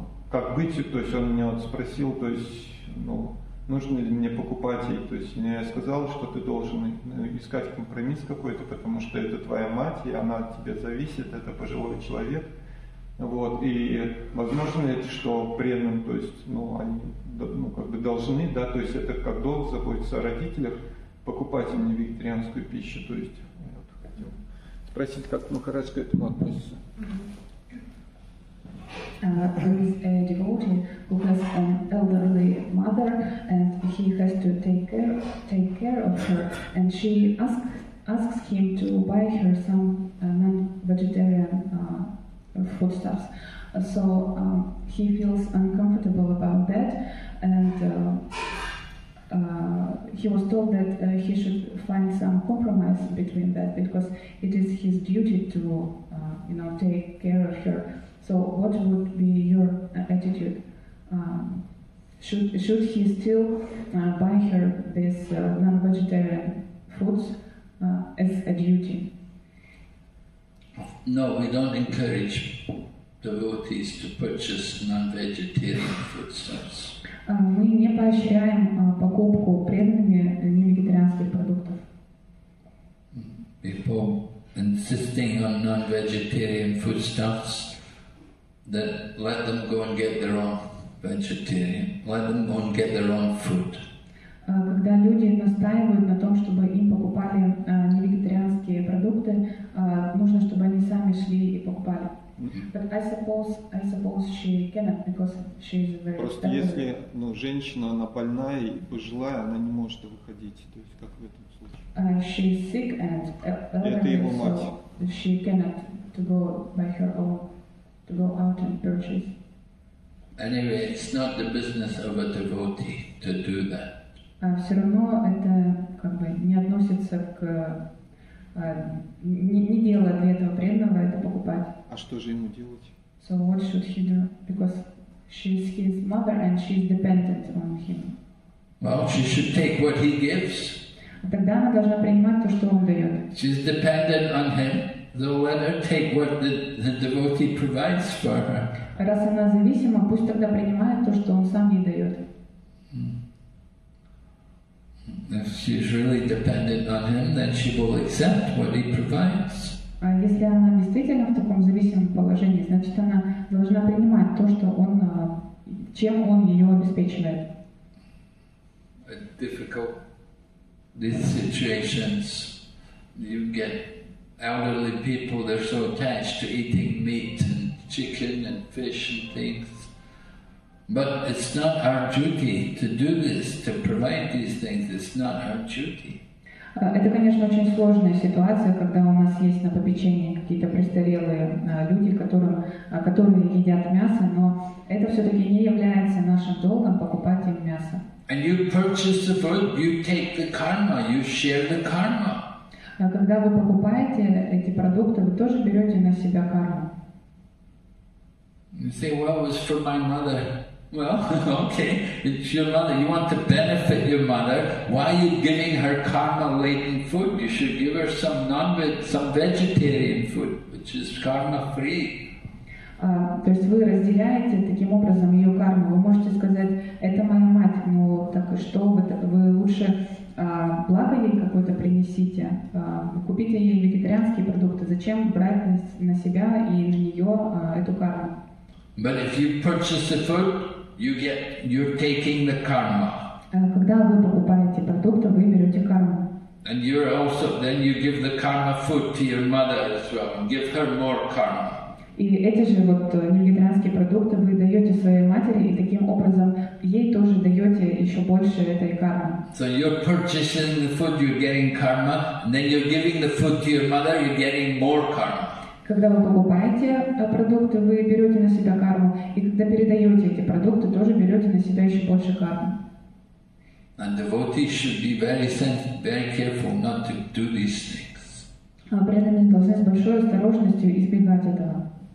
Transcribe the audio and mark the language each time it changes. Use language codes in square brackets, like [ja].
[ru] как быть, то есть он меня вот спросил, то есть, ну, нужно ли мне покупать ей, то есть мне сказал, что ты должен искать компромисс какой-то, потому что это твоя мать, и она от тебя зависит, это пожилой человек, вот, и возможно ли это, что преданным, то есть, ну, они, ну, как бы должны, да, то есть это как долг заботиться о родителях, покупать им не вегетарианскую пищу, то есть, вот, хотел спросить, как Махарадж к этому относится. [en] Who is a devotee who has an elderly mother and he has to take care of her, and she asks him to buy her some non-vegetarian foodstuffs. So he feels uncomfortable about that, and he was told that he should find some compromise between that, because it is his duty to you know, take care of her. So what would be your attitude? Should he still buy her this non-vegetarian foods as a duty? No, we don't encourage devotees to purchase non-vegetarian foodstuffs. [ru] Мы не поощряем покупку преданными невегетарианских продуктов. [en] Before insisting on non-vegetarian foodstuffs, that let them go and get their own vegetarian, let them go and get their own food. [ru] Когда люди настаивают на том, чтобы им покупали невегетарианские продукты, нужно, чтобы они сами шли и покупали. [en] But I suppose she cannot, because she is very. [ru] Просто если, ну, женщина, она больная и пожилая, она не может выходить, то есть как в этом случае? [en] She is sick and elderly. [ru] Это его мать. [en] So she cannot to go by her own. To go out and purchase. Anyway, it's not the business of a devotee to do that. [ru] Все равно это как бы не относится к не дело для этого преданного это покупать. А что же ему делать? [en] So what should he do? Because she's his mother and she's dependent on him. Well, she should take what he gives. [ru] Тогда она должна принимать то, что он дает. [en] She's dependent on him. They'll let her take what the devotee provides for her. [ru] Раз она зависима, пусть тогда принимает то, что он сам ей дает. [en] If she's really dependent on him, then she will accept what he provides. [ru] А если она действительно в таком зависимом положении, значит, она должна принимать то, что он, чем он ее обеспечивает. [en] Difficult these situations you get. Elderly people, they're so attached to eating meat and chicken and fish and things. But it's not our duty to do this, to provide these things. It's not our duty. [ru] Это, конечно, очень сложная ситуация, когда у нас есть на попечении какие-то престарелые люди, которые едят мясо, но это все-таки не является нашим долгом покупать им мясо. [en] And you purchase the food, you take the karma, you share the karma. [ru] Когда вы покупаете эти продукты, вы тоже берете на себя карму. [en] You say, well, it was for my mother. Well, okay, it's your mother. You want to benefit your mother. Why are you giving her karma-laden food? You should give her some non-veg, some vegetarian food, which is karma-free. [ru] То есть вы разделяете таким образом ее карму. Вы можете сказать, это моя мать, но так и что, вы лучше благо ей какое-то принесите, купите ей вегетарианские продукты. Зачем брать на себя и на нее эту карму? [en] But if you purchase the food, you're taking the karma. [ru] Когда вы покупаете продукты, вы берете карму. [en] And you're also, then you give the karma food to your mother as well, and give her more karma. [ru] И эти же вот невегетарианские продукты вы даете своей матери, и таким образом ей тоже даете еще больше этой кармы. [en] So you're purchasing the food, you're getting karma, and then you're giving the food to your mother, you're getting more karma. [ru] Когда вы покупаете продукты, вы берете на себя карму, и когда передаете эти продукты, тоже берете на себя еще больше кармы. [en] And devotees should be very sensitive, very careful not to do these things. [ru] Преданные должны с большой осторожностью избегать этого.